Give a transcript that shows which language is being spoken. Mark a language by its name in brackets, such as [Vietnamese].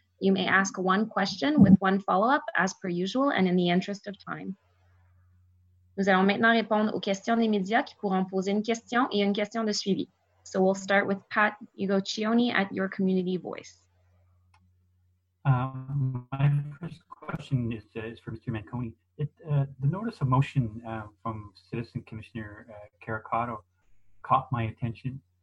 [English] You may ask one question with one follow-up as per usual and in the interest of time. [French] Nous allons maintenant répondre aux questions des médias qui pourront poser une question et une question de suivi. [English] So we'll start with Pat Ugocioni at Your Community Voice. My first question is for Mr. Manconi. The notice of motion from Citizen Commissioner Caricato caught my attention.